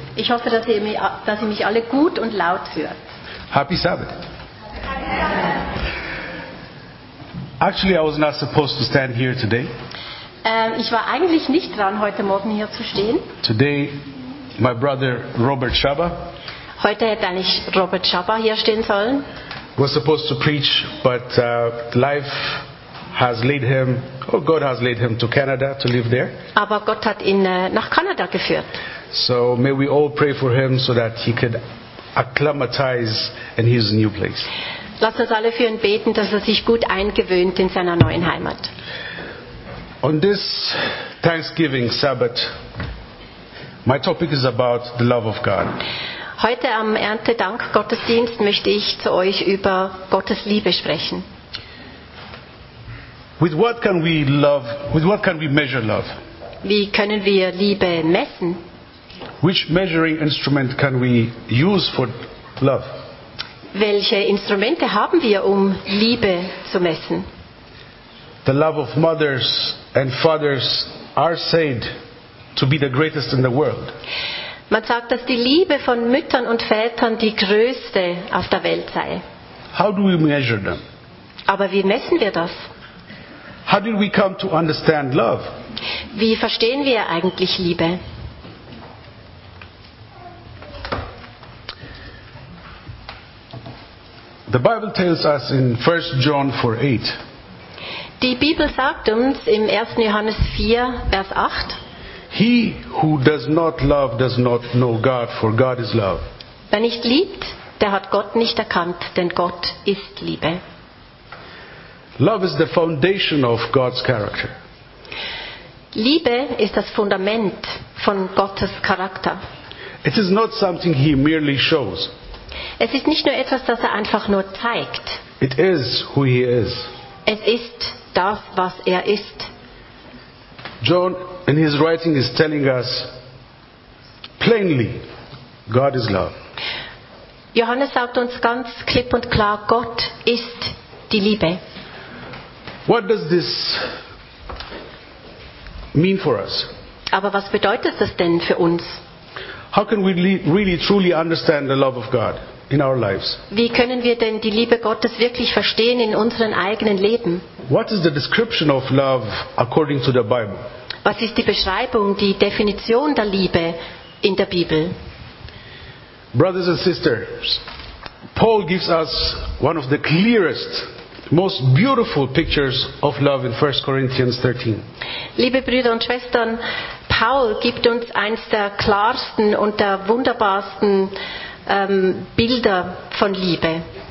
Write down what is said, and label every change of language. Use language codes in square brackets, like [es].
[de] Ich hoffe, dass ihr mich alle gut und laut hört. [en] Happy Sabbath. Actually, I was not supposed to stand here today. [de] Ich war eigentlich nicht dran, heute Morgen hier zu stehen. [en] Today, my brother Robert Schaba. [de] Heute hätte eigentlich Robert Schaba hier stehen sollen. [en] Was supposed to preach, but life has led him. Oh, God has led him to Canada to live there. [de] Aber Gott hat ihn nach Kanada geführt. [en] So may we all pray for him so that he could acclimatize in his new place. [de] Lasst uns alle für ihn beten, dass er sich gut eingewöhnt in seiner neuen Heimat. [en] On this Thanksgiving Sabbath, my topic is about the love of God. [de] Heute am Erntedank-Gottesdienst möchte ich zu euch über Gottes Liebe sprechen. [en] With what can we love? With what can we measure love? [de] Wie können wir Liebe messen? [en] Which measuring instrument can we use for love? [de] Welche Instrumente haben wir, um Liebe zu messen? [en] The love of mothers and fathers are said to be the greatest in the world. [de] Man sagt, dass die Liebe von Müttern und Vätern die größte auf der Welt sei. [en] How do we measure them? [de] Aber wie messen wir das? [en] How did we come to understand love? [de] Wie verstehen wir eigentlich Liebe? [en] The Bible tells us in 1 John 4:8. [de] Die Bibel sagt uns im 1. Johannes 4, Vers 8. [en] He who does not love does not know God, for God is love. [de] Wer nicht liebt, der hat Gott nicht erkannt, denn Gott ist Liebe. [en] Love is the foundation of God's character. [de] Liebe ist das Fundament von Gottes Charakter. [en] It is not something he merely shows. [de] Es ist nicht nur etwas, das er einfach nur zeigt. [en] It is who he is. [de] Es ist das, was er ist. [en] John in his writing is telling us plainly, God is love. [de] Johannes sagt uns ganz klipp und klar, Gott ist die Liebe. [en] What does this mean for us? [de] Aber was bedeutet das denn für uns? [en] How can we really truly understand the love of God in our lives? [de] Wie können wir denn die Liebe Gottes wirklich verstehen in unseren eigenen Leben? [en] What is the description of love according to the Bible? [de] Was ist die Beschreibung, die Definition der Liebe in der Bibel? [en] Brothers and sisters, Paul gives us one of the clearest, most beautiful pictures of love in 1 Corinthians 13. [de] Liebe Brüder und Schwestern, Paul gibt uns eins der klarsten und der wunderbarsten Bilder von Liebe.